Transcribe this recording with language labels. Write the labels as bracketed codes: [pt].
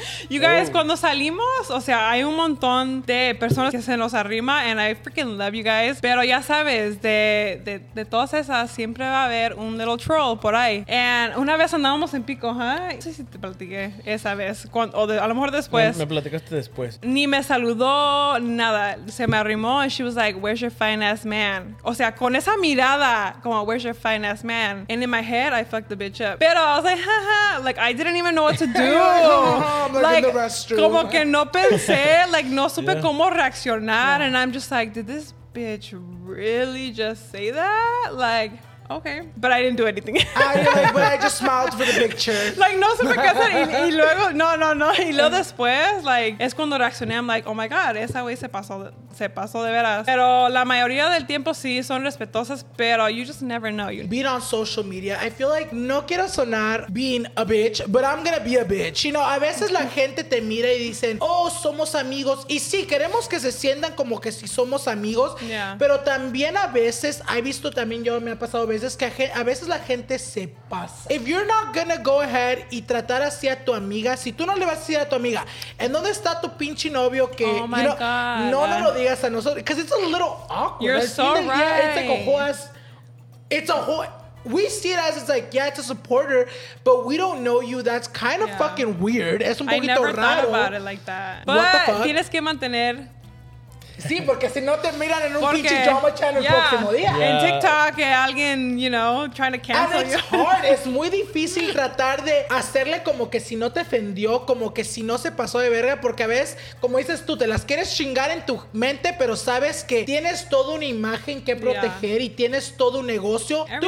[en] You guys, [es] cuando salimos, o sea, hay un montón de personas que se nos arrima, [en] and I freaking love you guys, [es] pero ya sabes, de todas esas siempre va a haber un [en] little troll [es] por ahí. And una vez andábamos en Pico, ¿eh? No sé si te platiqué esa vez a lo mejor después. Me platicaste después. Ni me saludó, nada. Se me arrimó [en] and she was like, where's your fine ass man? [es] O sea, con esa mirada, como, [en] where's your fine ass man? And in my head, I fucked the bitch up. Pero I was like, haha, like, I didn't even know what to do. Like, [es] como que no pensé, like, no supe cómo reaccionar. [en] Yeah. And I'm just like, did this bitch really just say that? Like, okay. But I didn't do anything. But I just smiled for the picture. [es] Like, no supe qué hacer. Y luego, no. Y luego después, like, es cuando reaccioné. [en] I'm like, oh my God, [es] esa güey se pasó de veras. Pero la mayoría del tiempo sí son respetuosas, pero [en] you just never know. Being on social media, I feel like [es] no quiero sonar [en] being a bitch, but I'm gonna be a bitch. You know, [es] a veces la gente te mira y dicen, oh, somos amigos. Y sí, queremos que se sientan como que sí somos amigos. [en] Yeah. [es] Pero también a veces, he visto también yo, me ha pasado veces que a veces la gente se pasa. [en] If you're not gonna go ahead [es] y tratar así a tu amiga, si tú no le vas a decir a tu amiga, ¿en dónde está tu pinche novio que, [en] oh my you know, God. [es] No lo digas a nosotros, [en] because it's a little awkward. You're so right. It's like a whole we see it as it's like, yeah, it's a supporter, but we don't know you. That's kind of fucking weird. [es] Es un poquito raro. [en] I never thought about it like that. But [es] tienes que mantener Sí, porque si no te miran en un pinche drama channel el próximo día. [en] Yeah. [es] En TikTok, alguien, [en] you know, trying to cancel you. Hard. [es] Es muy difícil tratar de hacerle como que si no te ofendió, como que si no se pasó de verga, porque a veces, como dices tú, te las quieres chingar en tu mente, pero sabes que tienes toda una imagen que proteger y tienes todo un negocio. Everything.